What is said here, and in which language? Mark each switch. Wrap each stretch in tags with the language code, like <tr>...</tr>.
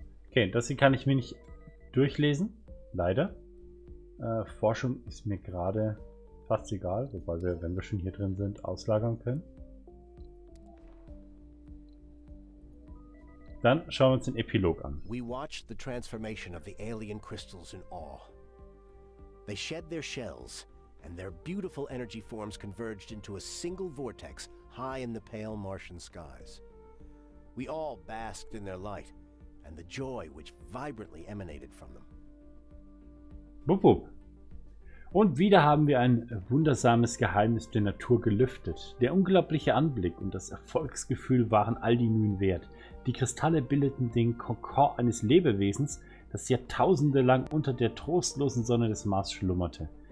<de>Okay, das hier kann ich mir nicht durchlesen, leider. Forschung ist mir gerade fast egal, wobei wir, wenn wir schon hier drin sind, auslagern können. Dann schauen wir uns den Epilog an.</de> <en>We watched the transformation of the alien crystals in awe. They shed their shells and their beautiful energy forms converged into a single vortex high in the pale Martian skies. We all basked in their light and the joy which vibrantly emanated from them. Bup, bup.</en> <de>Und wieder haben wir ein wundersames Geheimnis der Natur gelüftet. Der unglaubliche Anblick und das Erfolgsgefühl waren all die Mühen wert. Die Kristalle bildeten den Kokon eines Lebewesens, das jahrtausende lang unter der trostlosen Sonne des Mars schlummerte.</de>